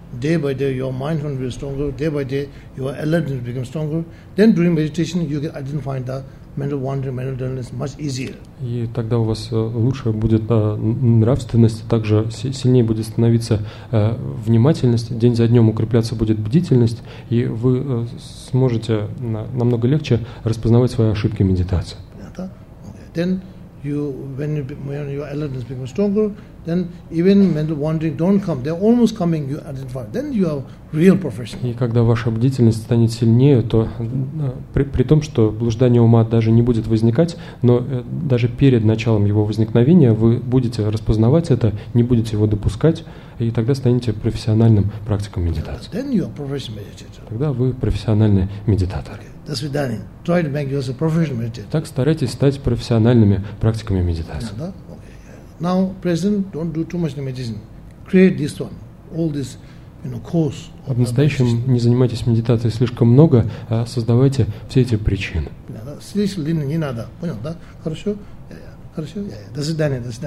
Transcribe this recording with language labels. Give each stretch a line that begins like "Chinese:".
English: Day by day, your mind will become stronger. Day by day, your alertness will become stronger. Then during meditation, you can identify the mental wandering, mental dullness much easier.
Russian: И тогда у вас лучше будет нравственность, также сильнее будет становиться внимательность, день за днем укрепляться будет бдительность, и вы сможете намного легче распознавать свои ошибки медитации.
English: Then you, when your alertness becomes stronger, then even mental wandering don't come. They're almost coming. You identify. Then you are real professional.
Russian: И когда ваша бдительность станет сильнее, то при том, что блуждание ума даже не будет возникать, но даже перед началом его возникновения вы будете распознавать это, не будете его допускать, и тогда станете профессиональным практиком медитации.
English: Then you are professional meditator.
Russian: Тогда вы профессиональный медитатор. До свидания.
English: Try to make yourself a professional meditator.
Russian: Так старайтесь стать профессиональными практиками медитации.
English: Now, present, don't do too much meditation. Create this one, all this, you know, cause.
Russian: В настоящем не занимайтесь медитацией слишком много, а создавайте все эти причины. Слишком длинно не надо, понял, да? Хорошо? До свидания.